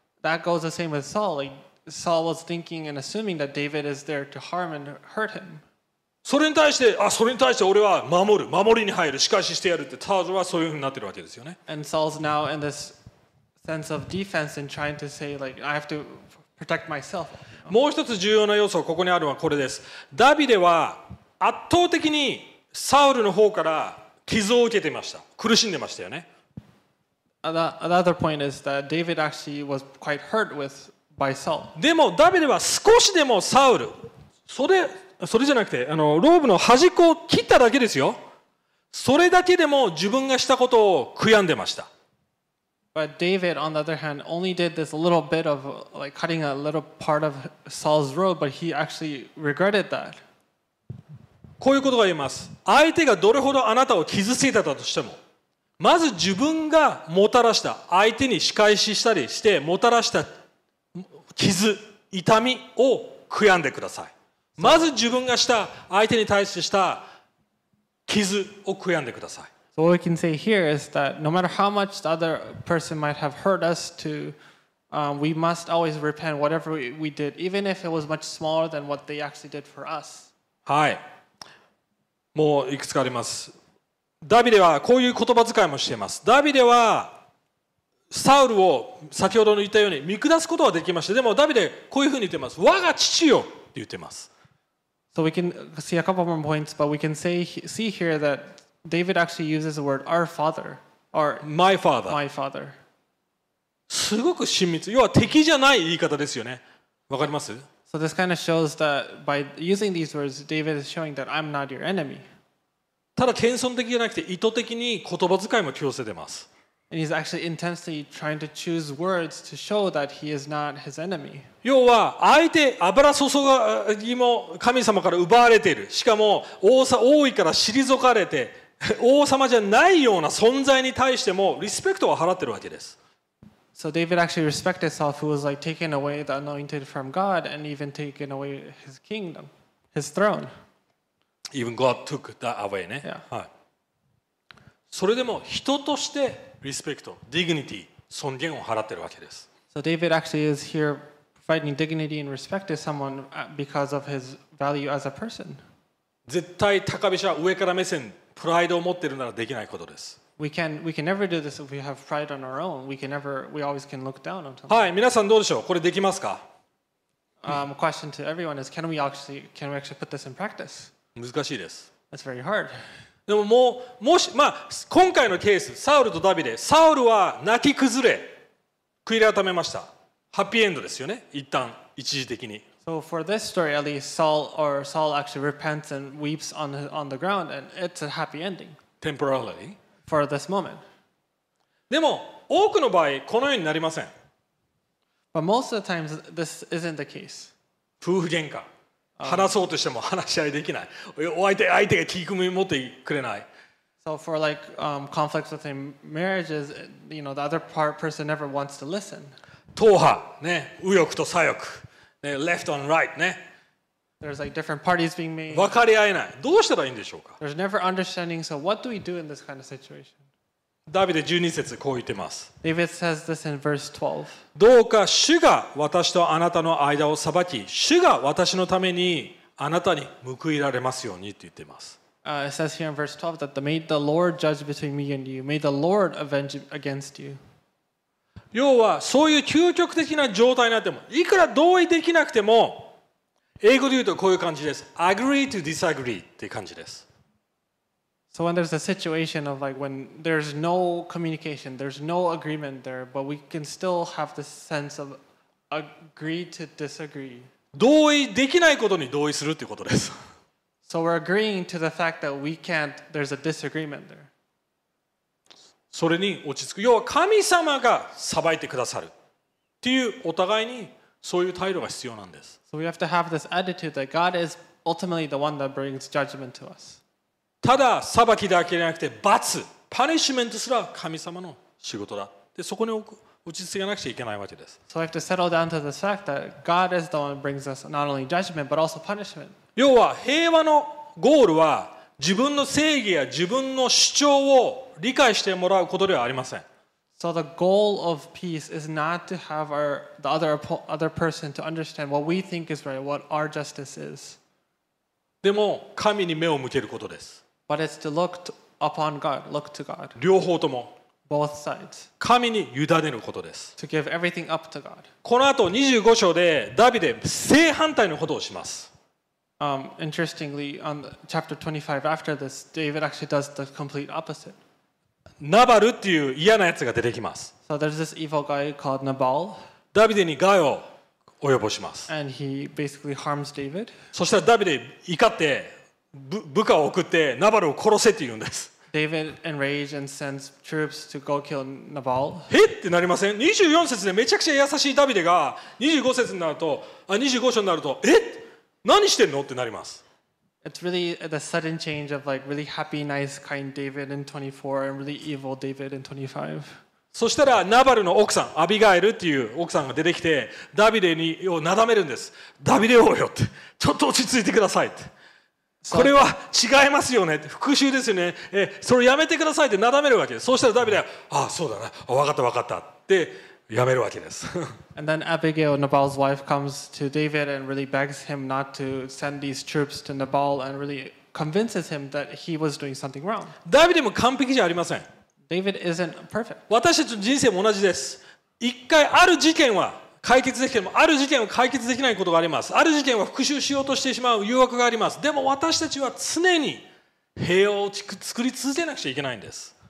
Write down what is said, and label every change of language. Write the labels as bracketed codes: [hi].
[en] That goes the same with Saul. Like, Saul was thinking and assuming that David is there to harm and hurt him. [ja] それに対して、あ、それに対して俺は守る、守りに入る、仕返ししてやるって、サウルはそういうふうになってるわけですよね。 [en] And Saul's now in this sense of defense and trying to say, like, I have to protect myself. [ja] もう一つ重要な要素がここにあるのはこれです。ダビデは圧倒的にサウルの方から傷を受けていました。苦しんでましたよね。 [en] Another point is that David actually was quite hurt with by Saul. [ja] でもダビデは少しでもサウル、それじゃなくてローブの端っこを切っただけですよ。それだけでも自分がしたことを悔やんでました。 [en] But David, on the other hand, only did this little bit of like cutting a little part of Saul's robe, but he actually regretted that. [ja] こういうことが言います。相手がどれほどあなたを傷ついたとしても。まず自分がもたらした相手に仕返ししたりしてもたらした傷、痛みを悔やんでください。まず自分がした相手に対してした傷を悔やんでください。 [en] So what we can say here is that no matter how much the other person might have hurt us to, we must always repent whatever we did, even if it was much smaller than what they actually did for us. [ja] はい。もういくつかあります。ダビデはこういう言葉遣いもしています。ダビデはサウルを先ほどの言ったように見下すことはできました。でもダビデこういうふうに言っています。我が父よって言っています。 [en] So we can see a couple more points, but we can see here that David actually uses the word our father, or my father. My father. [ja] すごく親密。要は敵じゃない言い方ですよね。わかります？ [en] So this kind of shows that by using these words, David is showing that I'm not your enemy. [ja] ただ謙遜的じゃなくて意図的に言葉遣いも強制でます。 [en] And he's actually intensely trying to choose words to show that he is not his enemy. [ja] 要は相手油注ぎも神様から奪われている。しかも王位から退かれて王様じゃないような存在に対してもリスペクトを払ってるわけです。 [en] So David actually respected Saul, who was like taken away the anointed from God and even taken away his kingdom, his throne. Even God took that away, ね。 Yeah. [ja] はい。それでも人としてリスペクト、ディグニティ、尊厳を払ってるわけです。 [en] So David actually is here providing dignity and respect to someone because of his value as a person. [ja] 絶対高飛車、上から目線、プライドを持ってるならできないことです。 [en] We can never do this if we have pride on our own. We always can look down on someone. [ja] はい、皆さんどうでしょう。これできますか。 [en] Question to everyone is, can we actually put this in practice? [ja] 難しいです。 [en] That's very hard. [ja] でも、もし、まあ、今回のケース、サウルとダビデ、サウルは泣き崩れ、悔い改めました。ハッピーエンドですよね。一旦、一時的に。 [en] So for this story, at least Saul actually repents and weeps on the ground, and it's a happy ending. Temporarily. For this moment. [ja] でも多くの場合このようになりません。 [en] But most of the times this isn't the case. [ja] 夫婦喧嘩。話そうとしても話し合いできない。相手が聞き込み持ってくれない。 [en] So for like conflicts within marriages, you know, the other person never wants to listen. [ja] 党派ね、右翼と左翼ね、 [en] left and right [ja] ね。 [en] There's like different parties being made. [ja] 分かり合えない。どうしたらいいんでしょうか。 [en] There's never understanding. So what do we do in this kind of situation? [ja] ダビデ12節こう言ってます。 [en] David says this in verse 12. [ja] どうか主が私とあなたの間を裁き、主が私のためにあなたに報いられますようにって言ってます。 [en] It says here in verse 12 that may the Lord judge between me and you. May the Lord avenge against you. [ja] 要はそういう究極的な状態になっても、いくら同意できなくても。英語で言うとこういう感じです。 [en] Agree to disagree [ja] っていう感じです。 [en] So when there's a situation of like when there's no communication, there's no agreement there, but we can still have the sense of agree to disagree. [ja] 同意できないことに同意するっていうことです。 [en] So we're agreeing to the fact that we can't, there's a disagreement there. [ja] それに落ち着く。要は神様が裁いてくださるっていうお互いにそういう態度が必要なんです。 [en] So we have to have this attitude that God is ultimately the one that brings judgment to us. [ja] ただ裁きだけじゃなくて罰、パニッシュメントすら神様の仕事だ。で、そこに落ち着かなくちゃいけないわけです。 [en] So we have to settle down to the fact that God is the one that brings us not only judgment but also punishment. [ja] 要は平和のゴールは自分の正義や自分の主張を理解してもらうことではありません。 [en] So the goal of peace is not to have the other person to understand what we think is right, what our justice is. [ja] でも神に目を向けることです。 [en] But it's to look upon God, look to God. [ja] 両方とも。 [en] Both sides. [ja] 神に委ねることです。 [en] To give everything up to God. [ja] この後25章でダビデ正反対のことをします。 [en] Interestingly, on chapter 25 after this, David actually does the complete opposite. [ja] ナバルっていう嫌なやつが出てきます。 [en] So there's this evil guy called Nabal. [ja] ダビデに害を及ぼします。 [en] And he basically harms David. [ja] そしたらダビデ怒って部下を送ってナバルを殺せって言うんです。 [en] David enraged and sends troops to go kill Nabal. [ja] へってなりません ?24 節でめちゃくちゃ優しいダビデが25節になると、25章になると、え何してんのってなります。 [en] It's really the sudden change of like really happy, nice, kind David in 24 and really evil David in 25. [ja] そしたらナバルの奥さん、アビガエルっていう奥さんが出てきて、ダビデをなだめるんです。ダビデ王よって。ちょっと落ち着いてくださいって。これは違いますよね。復讐ですよね。それやめてくださいってなだめるわけです。そうしたらダビデは、ああ、そうだな。わかったわかったってやめるわけです。 [en] And then Abigail, Nabal's wife, comes to David and really begs him not to send these troops to Nabal and really convinces him that he was doing something wrong. [ja] ダビデも完璧じゃありません。 [en] David isn't perfect. [ja] 私たちの人生も同じです。一回ある事件は、解決できてもある事件は解決できないことがあります。ある事件は復讐しようとしてしまう誘惑があります。でも私たちは常に平和を作り続けなくちゃいけないんです。